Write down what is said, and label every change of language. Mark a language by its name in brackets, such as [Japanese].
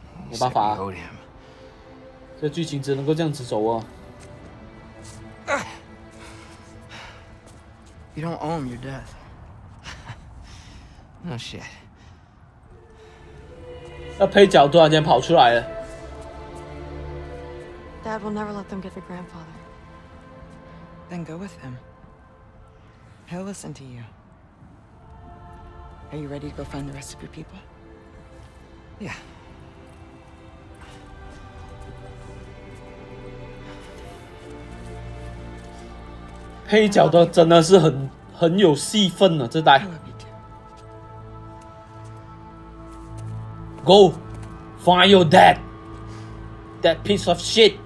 [Chinese] 没办法，这剧情只能够这样子走哦。 [English] You don't own your death. No shit. [Chinese] 那配角突然间跑出来了。 [English] Dad will never let them get your grandfather. Then go with him. He'll listen to you. Are you ready to go find the rest of your people? Yeah. [Chinese] ...配角的真的是很有戏份了，这代。 [English] Go! Find your dad! That piece of shit!